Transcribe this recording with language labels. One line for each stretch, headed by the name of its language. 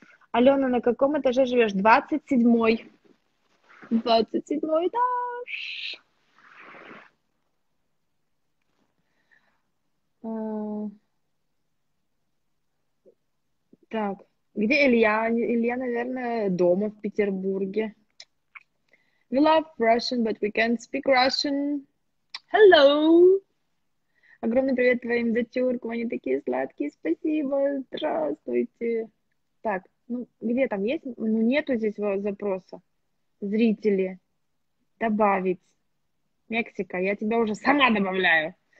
Russian: Алена, на каком этаже живешь? 27-й. 27-й этаж. Так, где Илья? Илья, наверное, дома в Петербурге.
English: We love Russian, but we can't speak Russian. Hello!
Russian: Огромный привет твоим дочуркам, они такие сладкие, спасибо, здравствуйте. Так, ну где там есть? Ну нету здесь запроса. Зрители, добавить. Мексика, я тебя уже сама добавляю.